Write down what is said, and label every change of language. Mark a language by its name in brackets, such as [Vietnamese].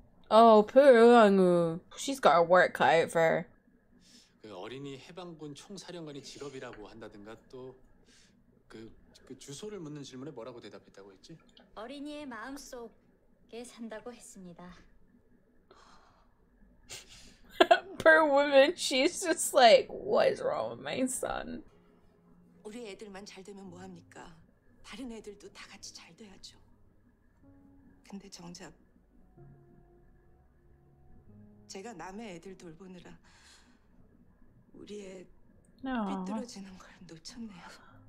[English] Oh, poor Eun-woo. She's got her work cut out for her. [Korean] 어린이 해방군 총사령관이 직업이라고 한다든가 또 그 주소를 묻는 질문에 뭐라고 대답했다고 했지? 어린이의 마음속에 산다고 했습니다. [English] Poor woman, she's just like, what is wrong with my son? [Korean] 우리 애들만 잘 되면 뭐 합니까? 다른 애들도 다 같이 잘 돼야죠. 근데 정작 제가 남의 애들 돌보느라 우리 애 삐뚤어지는 걸 놓쳤네요.